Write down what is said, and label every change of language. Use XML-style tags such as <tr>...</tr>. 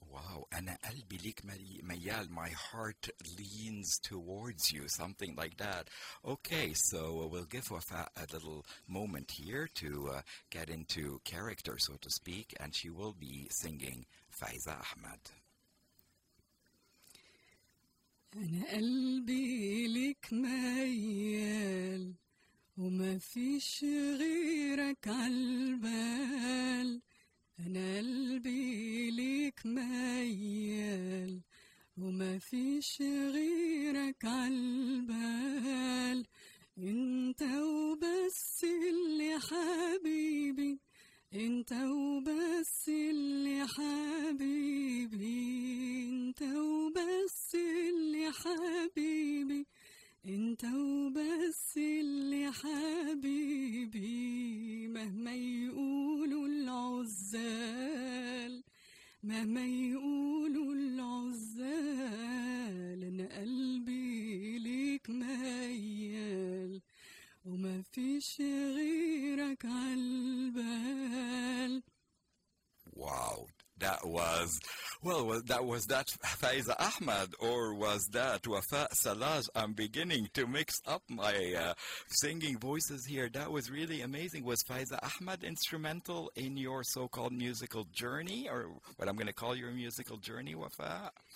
<en>Wow, Ana Albi Lik Mayal, my heart leans towards you, something like that. Okay, so we'll give Wafa a little moment here to get into character, so to speak, and she will be singing Faiza Ahmed.</en> <ar>Ana Albi Lik Mayal وما فيش غيرك عالبال أنا قلبي ليك ميال وما فيش غيرك عالبال انت وبس اللي حبيبي انت وبس اللي حبيبي انت وبس اللي حبيبي انت وبس اللي حبيبي مهما يقولوا العزال مهما يقولوا العزال انا قلبي ليك ميال وما فيش غيرك عالبال. واو.</ar> <en>That was, that was Faiza Ahmed, or was that Wafa Salaj? I'm beginning to mix up my singing voices here. That was really amazing. Was Faiza Ahmed instrumental in your so-called musical journey, or what I'm going to call your musical journey, Wafa?</en>